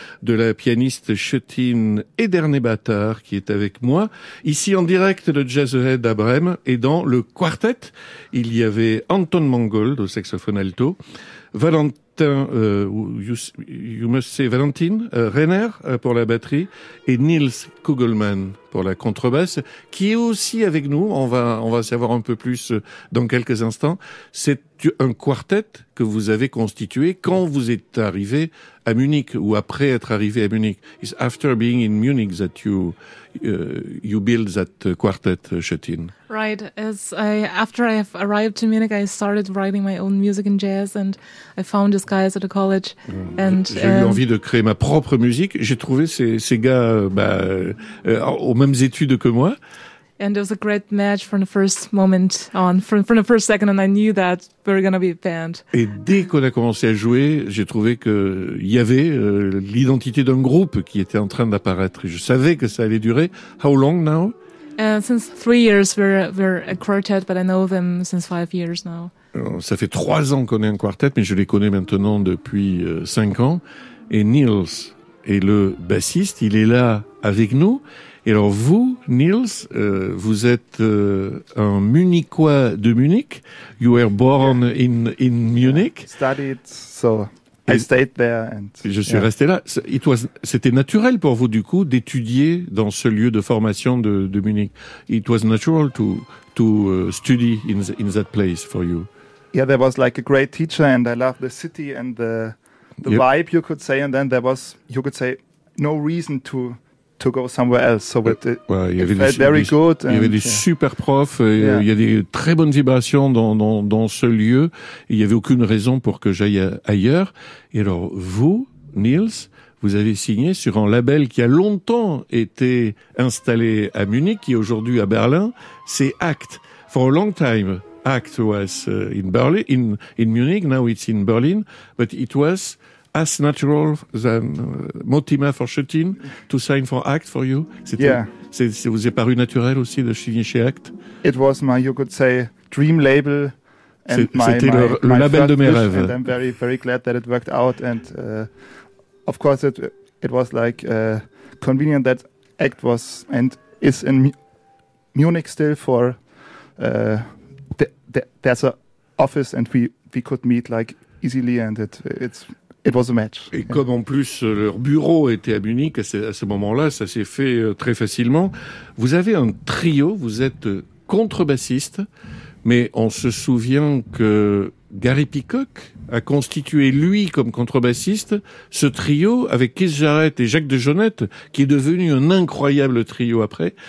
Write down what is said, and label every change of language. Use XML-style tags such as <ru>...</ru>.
<fr>de la pianiste Chetin Edernebatar qui est avec moi, ici en direct de Jazzhead à Brême, et dans le quartet, il y avait Anton Mangold au saxophone alto, Valentin Renner pour la batterie et Nils Kugelmann pour la contrebasse, qui est aussi avec nous. On va savoir un peu plus dans quelques instants. C'est un quartet que vous avez constitué quand vous êtes arrivé à Munich ou après être arrivé à Munich.</fr> <en>It's after being in Munich that you build that quartet, Chetin. Right. After I have arrived to Munich, I started writing my own music in jazz, and I found this guy at a college.</en> <fr>J'ai eu envie de créer ma propre musique. J'ai trouvé ces gars aux mêmes études que moi.</fr> <en>And it was a great match from the first moment on, from the first second, and I knew that we were going to be a band.</en> <fr>Et dès qu'on a commencé à jouer, j'ai trouvé qu'il y avait l'identité d'un groupe qui était en train d'apparaître. Je savais que ça allait durer.</fr> <en>How long now? Since 3 years, we're a quartet, but I know them since 5 years now.</en> <fr>Ça fait 3 ans qu'on est un quartet, mais je les connais maintenant depuis 5 ans. Et Nils est le bassiste, il est là avec nous. Et alors vous, Nils, vous êtes un Munichois de Munich.</fr> <en>You were born in Munich. Yeah, studied, so I stayed there. And,</en> <fr>je suis resté là. C'était naturel pour vous, du coup, d'étudier dans ce lieu de formation de Munich.</fr> <en>It was natural to study in that place for you. Yeah, there was like a great teacher, and I loved the city and the vibe, you could say. And then there was, you could say, no reason to go somewhere else. So</en> <fr>il y avait des super profs, il y a des très bonnes vibrations dans ce lieu. Il n'y avait aucune raison pour que j'aille ailleurs. Et alors, vous, Nils, vous avez signé sur un label qui a longtemps été installé à Munich, qui est aujourd'hui à Berlin. C'est ACT.</fr> <en>For a long time, ACT was in Berlin, in Munich. Now it's in Berlin. But it was as natural than Motima for Chetin to sign for ACT for you.</en> <fr>C'est vous est paru naturel aussi de signer chez ACT.</fr> <en>It was my, you could say, dream label.</en> <fr>And c'était le label de mes rêves.</fr> <en>And I'm very, very glad that it worked out. And of course, it was like convenient that ACT was and is in Munich still for there's a office and we could meet like easily and it was a match.</en> <fr>Et comme en plus leur bureau était à Munich à ce moment-là, ça s'est fait très facilement. Vous avez un trio, vous êtes contrebassiste, mais on se souvient que Gary Peacock a constitué lui comme contrebassiste ce trio avec Keith Jarrett et Jacques Dejonette, qui est devenu un incroyable trio après.</fr>